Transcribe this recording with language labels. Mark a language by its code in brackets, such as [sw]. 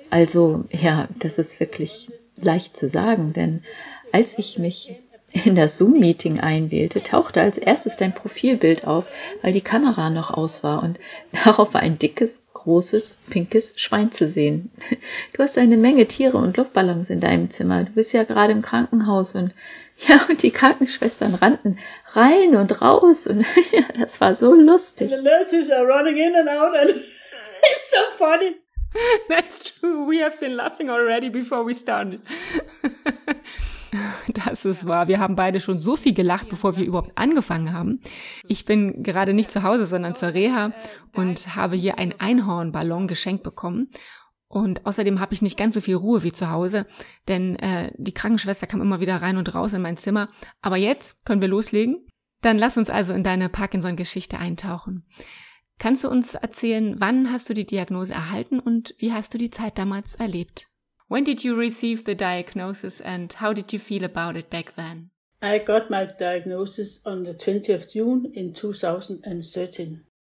[de] Also, ja, das ist wirklich leicht zu sagen, denn als ich mich in das Zoom-Meeting einwählte, tauchte als erstes dein Profilbild auf, weil die Kamera noch aus war und darauf war ein dickes, großes, pinkes Schwein zu sehen. Du hast eine Menge Tiere und Luftballons in deinem Zimmer. Du bist ja gerade im Krankenhaus und ja, und die Krankenschwestern rannten rein und raus und ja, das war so lustig. [en] And the nurses are running in and out and it's so funny. That's true. We have been laughing already before we started. [de] Das ist wahr. Wir haben beide schon so viel gelacht, bevor wir überhaupt angefangen haben. Ich bin gerade nicht zu Hause, sondern zur Reha und habe hier einen Einhornballon geschenkt bekommen. Und außerdem habe ich nicht ganz so viel Ruhe wie zu Hause, denn die Krankenschwester kam immer wieder rein und raus in mein Zimmer. Aber jetzt können wir loslegen. Dann lass uns also in deine Parkinson-Geschichte eintauchen. Kannst du uns erzählen, wann hast du die Diagnose erhalten und wie hast du die Zeit damals erlebt? [en] When did you receive the diagnosis and how did you feel about it back then? I got my diagnosis on the 20th June in 2013.